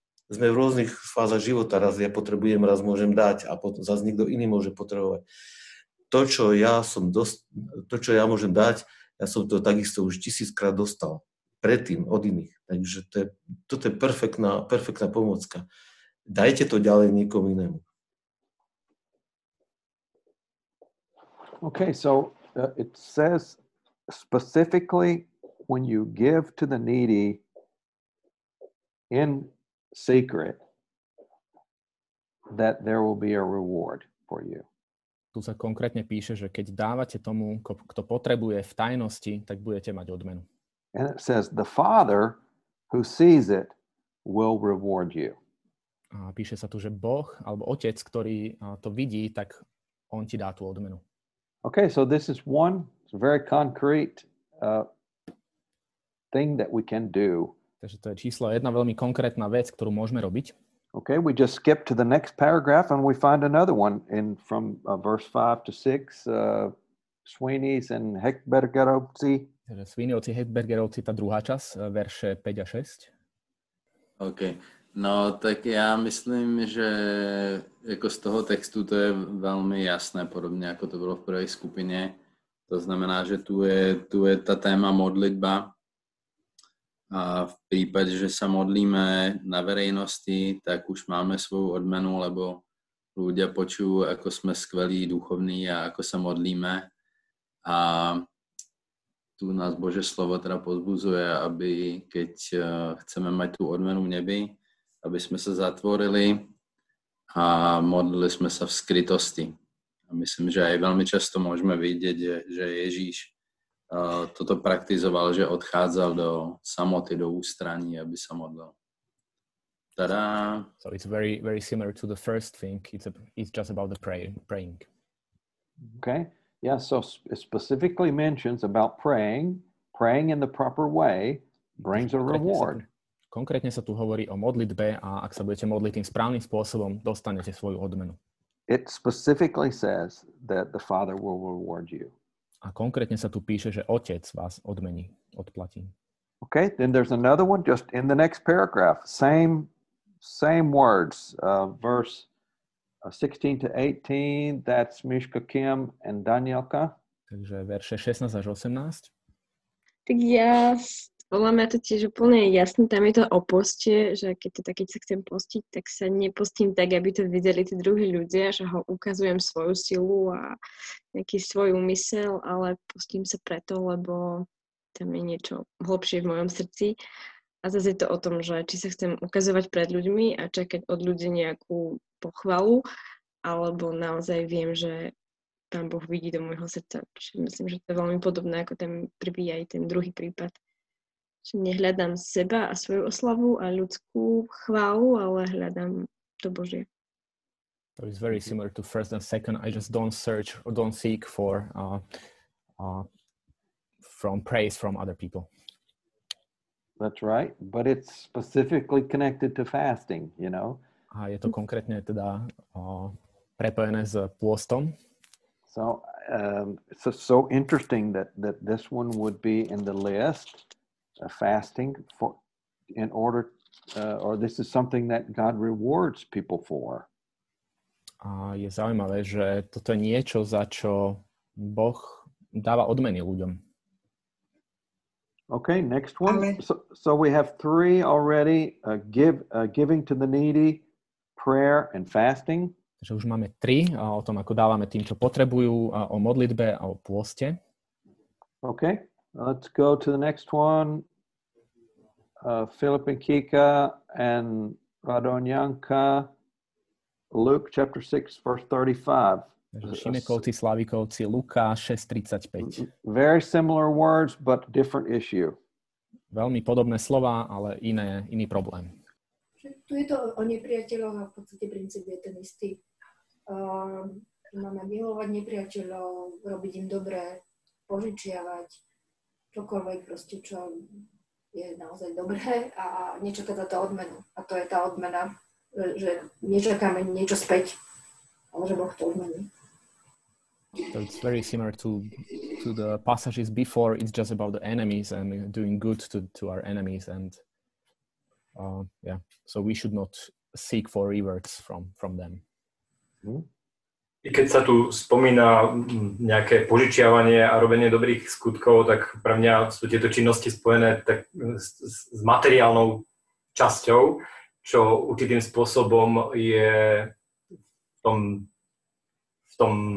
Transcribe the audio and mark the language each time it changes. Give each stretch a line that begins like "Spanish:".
Slovak: Sme v rôznych fázach života. Raz ja potrebujem, raz môžem dať a potom zase niekto iný môže potrebovať. To, čo ja môžem dať, ja som to takisto už tisíckrát dostal. Predtým, od iných. Takže toto je perfektná pomocka. Dajte to ďalej niekomu inému.
English: Okay, so it says specifically when you give to the needy in secret that there will be a reward for you.
Slovak: Tu sa konkrétne píše, že keď dávate tomu, kto potrebuje v tajnosti, tak budete mať odmenu.
English: And it says the father who sees it will reward you.
Slovak: A píše sa tu, že Boh alebo otec, ktorý to vidí, tak on ti dá tú odmenu.
English: Okay, so this is one very concrete thing that we can do.
Slovak: Takže to je číslo jedna veľmi konkrétna vec, ktorú môžeme robiť.
English: Okay, we just skip to the next paragraph and we find another one in from verse 5 to 6, Sweeney's and Heckbergerovci.
Slovak: Takže Sweeney's, Heckbergerovci, tá druhá čas, verše 5 a 6.
English: Okay.
Slovak: No, tak ja myslím, že jako z toho textu to je veľmi jasné, podobne ako to bolo v prvej skupine. To znamená, že tu je ta téma modlitba. A v prípade, že sa modlíme na verejnosti, tak už máme svoju odmenu, lebo ľudia počujú, ako sme skvelí duchovní a ako sa modlíme. A tu nás Bože slovo teda pozbuzuje, aby keď chceme mať tú odmenu v nebi, aby sme sa zatvorili a modlili sme sa v skrytosti. A myslím, že aj veľmi často môžeme vidieť, že Ježíš toto praktizoval, že odchádzal do samoty, do ústraní, aby sa modlil. Tada.
English: So it's very, very similar to the first thing. It's just about the praying. Okay. Yeah, so specifically mentions about praying in the proper way brings a reward.
Slovak: Konkrétne sa tu hovorí o modlitbe a ak sa budete modliť tým správnym spôsobom, dostanete svoju odmenu.
English: It specifically says that the Father will reward you.
Slovak: A konkrétne sa tu píše, že Otec vás odmení, odplatí.
English: Okay, then there's another one just in the next paragraph. Same words, verse 16 to 18, that's Mishka Kim and Danielka.
Slovak: Takže verše 16 až 18. Tak ja, podľa mňa to tiež úplne jasné, tam je to o poste, že keď to taký sa chcem postiť, tak sa nepostím tak, aby to videli tí druhí ľudia, že ho ukazujem svoju silu a nejaký svoj úmysel, ale postím sa preto, lebo tam je niečo hlbšie v mojom srdci. A zase je to o tom, že či sa chcem ukazovať pred ľuďmi a čakať od ľudí nejakú pochvalu, alebo naozaj viem, že tam Boh vidí do môjho srdca. Čiže myslím, že to je veľmi podobné ako ten prvý aj ten druhý prípad. Čiže nehľadám seba a svoju oslavu a ľudskú chválu, ale hľadám to Božie.
English: So it's very similar to first and second. I just don't search or don't seek for from praise from other people. That's right, but it's specifically connected to fasting, you know.
Slovak: A je to konkrétne teda prepojené s pôstom.
English: So it's so interesting that this one would be in the list, fasting for in order or this is something that God rewards people for.
Slovak: A je zaujímavé, že toto je niečo, za čo Boh dáva odmeny ľuďom.
English: Okay, next one. So we have three already. Giving to the needy, prayer and fasting.
Slovak: Takže už máme tri o tom, ako dávame tým, čo potrebujú, o modlitbe a o pôste.
English: Okay, let's go to the next one. Filip and Kika and Radonjanka. Luke chapter 6, verse 35.
Slovak: Šimekovci, Slavikovci, Luka 6:35.
English: Very similar words, but different issue.
Slovak: Veľmi podobné slova, ale iný problém. Tu je to o nepriateľoch a v podstate princíp je ten istý. Máme milovať nepriateľov, robiť im dobré, požičiavať, čokoľvek proste, čo je naozaj dobré a nečaká za to odmenu. A to je tá odmena, že nečakáme niečo späť, ale že Boh to odmení.
English: So it's very similar to the passages before. It's just about the enemies and doing good to our enemies. And yeah, so we should not seek for rewards from them.
Slovak: Keď sa tu spomína nejaké požičiavanie a robenie dobrých skutkov, tak pre mňa sú tieto činnosti spojené tak s materiálnou časťou, čo určitým spôsobom je v tom